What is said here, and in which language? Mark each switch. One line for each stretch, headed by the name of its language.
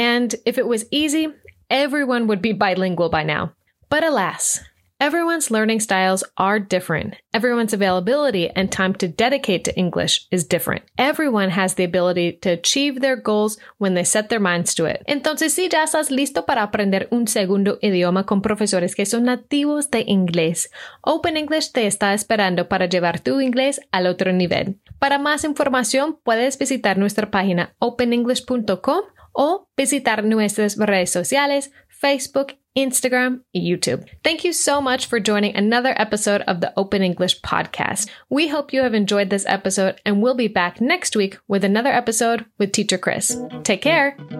English: And if it was easy, everyone would be bilingual by now. But alas, everyone's learning styles are different. Everyone's availability and time to dedicate to English is different. Everyone has the ability to achieve their goals when they set their minds to it.
Spanish: Entonces, si ya estás listo para aprender un segundo idioma con profesores que son nativos de inglés, Open English te está esperando para llevar tu inglés al otro nivel. Para más información, puedes visitar nuestra página openenglish.com o visitar nuestras redes sociales, Facebook, Instagram, YouTube.
English: Thank you so much for joining another episode of the Open English Podcast. We hope you have enjoyed this episode and we'll be back next week with another episode with Teacher Chris. Take care.